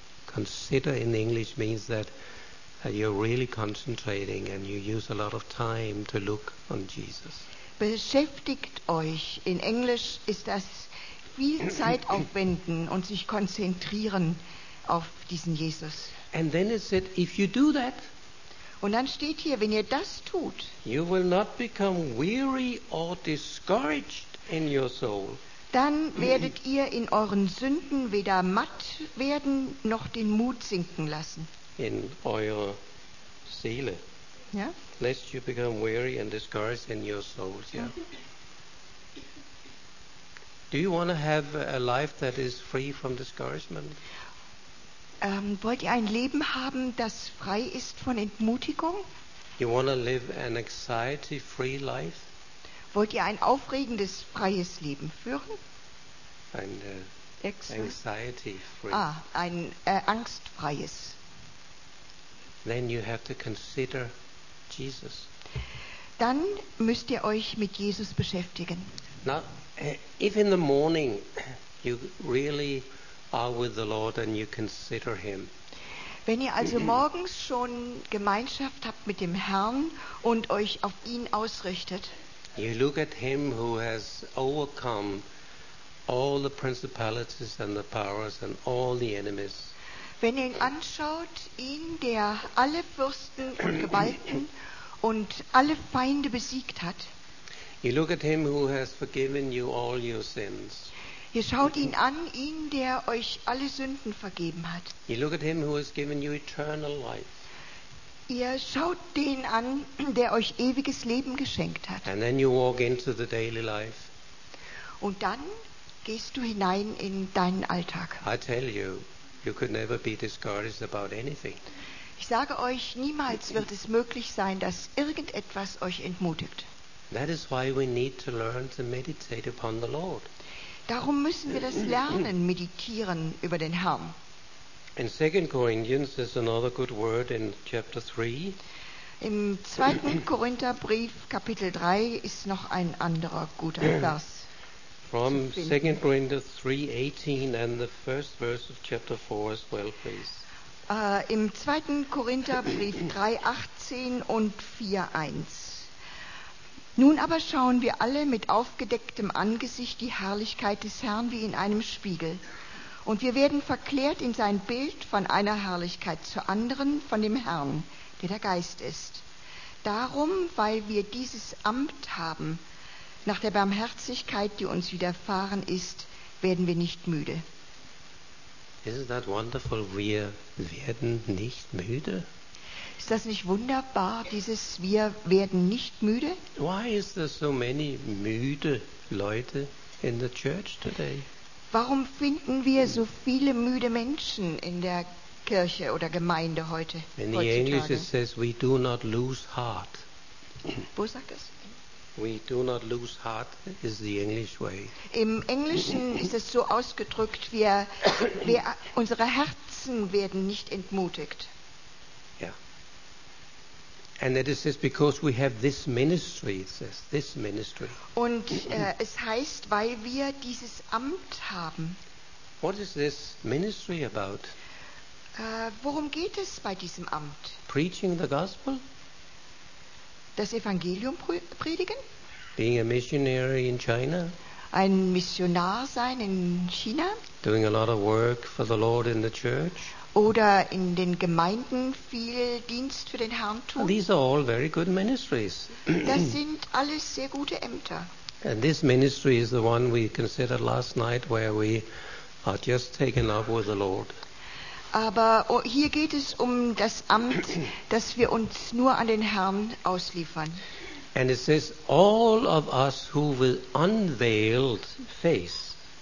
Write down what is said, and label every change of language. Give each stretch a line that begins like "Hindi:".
English: Consider in English means that you're really concentrating and you use a lot of time to look on Jesus.
German: Beschäftigt euch. In Englisch ist das viel Zeit aufwenden und sich konzentrieren auf diesen Jesus.
English: And then it said, if you do that,
German: und dann steht hier, wenn ihr das tut,
English: you will not become weary or discouraged in your soul.
German: Dann werdet ihr in euren Sünden weder matt werden noch den Mut sinken lassen. In eure Seele. Ja?
English: Lest you become weary and discouraged in your souls. Yeah. Do you want to have a life that is free from discouragement?
German: Wollt ihr ein Leben haben, das frei ist von Entmutigung?
English: You wanna live an anxiety-free life?
German: Wollt ihr ein aufregendes, freies Leben führen? Ein anxiety-free. Angstfreies.
English: Then you have to consider Jesus.
German: Dann müsst ihr euch mit Jesus beschäftigen.
English: Now, if in the morning you really are with the Lord and you consider him.
German: Wenn ihr also morgens schon Gemeinschaft habt mit dem Herrn und euch auf ihn ausrichtet.
English: You look at him who has overcome all the principalities and the powers and all the enemies.
German: wenn ihr ihn anschaut, ihn, der alle Fürsten und Gewalten und alle Feinde besiegt hat.
English: You look at him who has forgiven you all your sins.
German: Ihr schaut ihn an, ihn, der euch alle Sünden vergeben hat.
English: You look at him who has given you eternal life.
German: Ihr schaut den an, der euch ewiges Leben geschenkt hat.
English: And then you walk into the daily life.
German: Und dann gehst du hinein in deinen Alltag.
English: I tell you, you could never be discouraged about anything.
German: Ich sage euch, niemals wird es möglich sein, dass irgendetwas euch entmutigt.
English: That is why we need to learn to meditate upon the Lord.
German: Darum müssen wir das lernen, meditieren über den Herrn.
English: In 2 Corinthians there's another good word in chapter 3.
German: Im 2. Korintherbrief Kapitel 3 ist noch ein anderer guter Vers.
English: From 2 Corinthians 3:18 and the first verse of chapter 4 as well, please.
German: Im 2. Korintherbrief 3:18 und 4:1. Nun aber schauen wir alle mit aufgedecktem Angesicht die Herrlichkeit des Herrn wie in einem Spiegel. Und wir werden verklärt in sein Bild von einer Herrlichkeit zur anderen, von dem Herrn, der der Geist ist. Darum, weil wir dieses Amt haben, nach der Barmherzigkeit, die uns widerfahren ist, werden wir nicht müde.
English: Isn't that wonderful?
German: Wir werden nicht müde. Ist das nicht wunderbar, dieses Wir werden nicht müde?
English: Why is there so many
German: müde Leute
English: in the church today?
German: Warum finden wir so viele müde Menschen in der Kirche oder Gemeinde heute?
English: In the English it says we do not lose heart.
German: Wo sagt es?
English: We do not lose heart is the English way.
German: Im Englischen ist es so ausgedrückt, wir unsere Herzen werden nicht entmutigt.
English: Yeah. And that it says because we have this ministry, it says this ministry.
German: Und es heißt, weil wir dieses Amt haben.
English: What is this ministry about?
German: Worum geht es bei diesem Amt?
English: Preaching the gospel.
German: Das Evangelium predigen.
English: Being a missionary in China.
German: Ein Missionar sein in China.
English: Doing a lot of work for the Lord in the church.
German: Oder in den Gemeinden viel Dienst für den Herrn tun.
English: These are all very good ministries.
German: Das sind alles sehr gute Ämter.
English: And this ministry is the one we considered last night where we are just taken up with the Lord.
German: Aber hier geht es um das Amt, dass wir uns nur an den Herrn ausliefern.
English: And it says all of us who with unveiled face.